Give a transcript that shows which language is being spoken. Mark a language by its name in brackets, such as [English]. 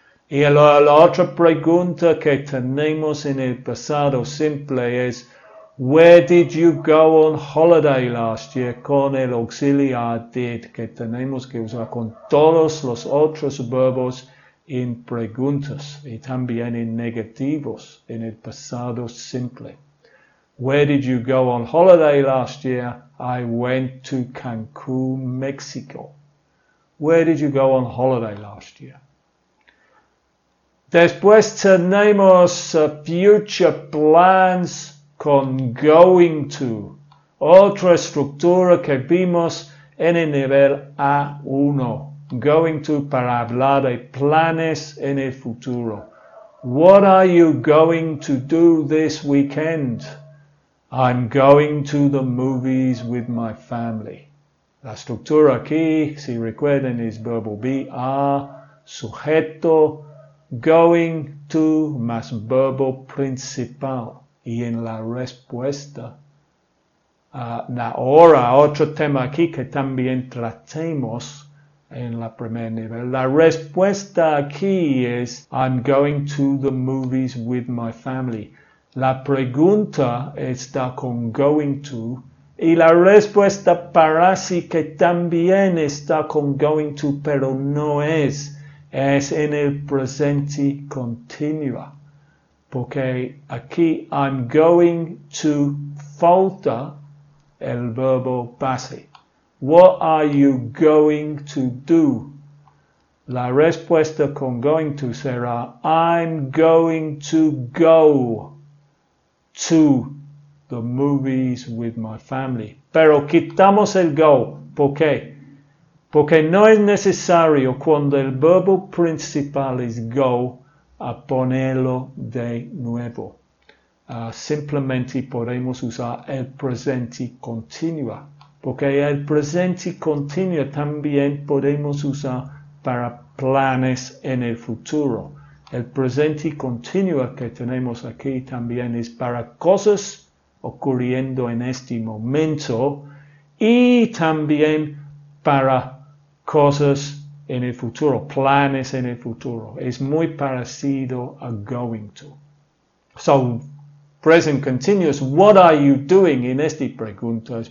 [Spanish] Y la otra pregunta que tenemos en el pasado simple es, [English] where did you go on holiday last year? [Spanish] Con el auxiliar did, que tenemos que usar con todos los otros verbos en preguntas y también en negativos en el pasado simple. [English] Where did you go on holiday last year? I went to Cancun, Mexico. Where did you go on holiday last year? [Spanish] Después tenemos [English] future plans [Spanish] con going to, otra estructura que vimos en el nivel A1, going to para hablar de planes en el futuro. [English] What are you going to do this weekend? I'm going to the movies with my family. [Spanish] La estructura aquí, si recuerden, es verbo be, are, sujeto, going to, más verbo principal. Y en la respuesta, ahora otro tema aquí que también tratemos en la primer nivel. La respuesta aquí es, [English] I'm going to the movies with my family. [Spanish] La pregunta está con going to. Y la respuesta para sí que también está con going to, pero no es. Es en el presente continuo. Porque aquí, I'm going to, falta el verbo base. [English] What are you going to do? [Spanish] La respuesta con going to será, [English] I'm going to go to the movies with my family. [Spanish] Pero quitamos el go. ¿Por qué? Porque no es necesario cuando el verbo principal es go, a ponerlo de nuevo. Simplemente podemos usar el presente continuo Porque el presente continuo también podemos usar para planes en el futuro. El presente continuo que tenemos aquí también es para cosas ocurriendo en este momento y también para cosas en el futuro, planes en el futuro. Es muy parecido a going to. [English] So, present continuous, what are you doing [Spanish] en esta pregunta?